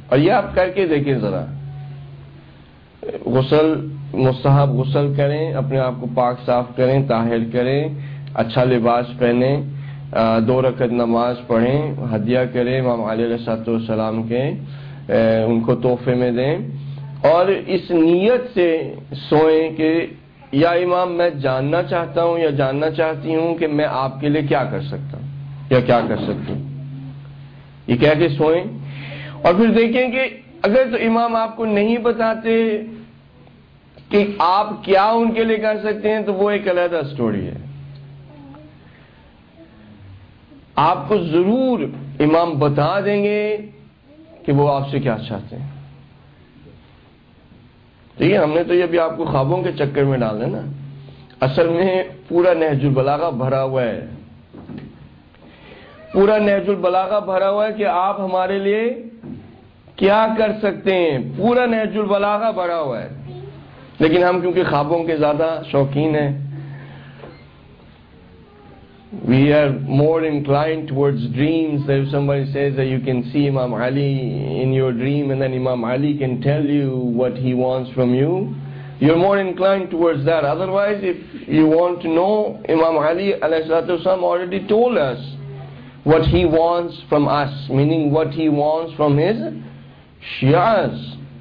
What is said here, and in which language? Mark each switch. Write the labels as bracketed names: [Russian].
[Urdu] Aur ye aap karke dekhiye zara. Ghusl mustahab, ghusl karein, apne aap ko paak saaf karein, tahir karein, acha libas pehne, do rakat namaz padhein, hadiya karein Imam Ali alayhi salam ke, unko tohfe mein dein, aur is niyat se soyein ke یا امام میں جاننا چاہتا ہوں یا جاننا چاہتی ہوں کہ میں آپ کے لئے کیا کر سکتا ہوں یا کیا کر سکتی ہوں. یہ کہہ کے سوئیں اور پھر دیکھیں کہ اگر تو امام آپ کو نہیں بتاتے کہ آپ کیا ان کے لئے کر سکتے ہیں تو وہ ایک علیحدہ سٹوری ہے. آپ کو ضرور امام بتا دیں گے کہ وہ آپ سے کیا چاہتے ہیں. ٹھیک ہے, ہم نے تو یہ بھی آپ کو خوابوں کے چکر میں ڈال دینا, اصل میں پورا نہج البلاغہ بھرا ہوا ہے, پورا نہج البلاغہ بھرا ہوا ہے کہ آپ ہمارے لیے کیا کر سکتے ہیں, پورا نہج البلاغہ بھرا ہوا ہے. لیکن ہم کیونکہ خوابوں کے زیادہ شوقین ہیں, [English] we are more inclined towards dreams. If somebody says that you can see Imam Ali in your dream and then Imam Ali can tell you what he wants from you, you're more inclined towards that. Otherwise, if you want to know, Imam Ali alayhi salatu wasalam already told us what he wants from us, meaning what he wants from his Shias.